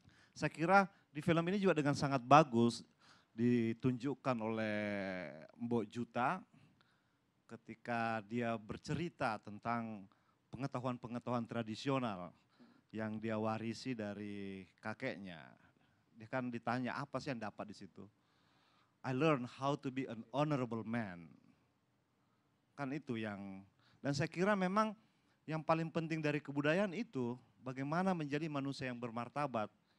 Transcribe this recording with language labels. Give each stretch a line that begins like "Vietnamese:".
Indonesian: Saya kira di film ini juga dengan sangat bagus ditunjukkan oleh Mbok Juta ketika dia bercerita tentang pengetahuan-pengetahuan tradisional yang dia warisi dari kakeknya. Dia kan ditanya apa sih yang dapat di situ.
English: I learn how to be an honorable man.
Indonesian: Kan itu yang, dan saya kira memang yang paling penting dari kebudayaan itu bagaimana menjadi manusia yang bermartabat.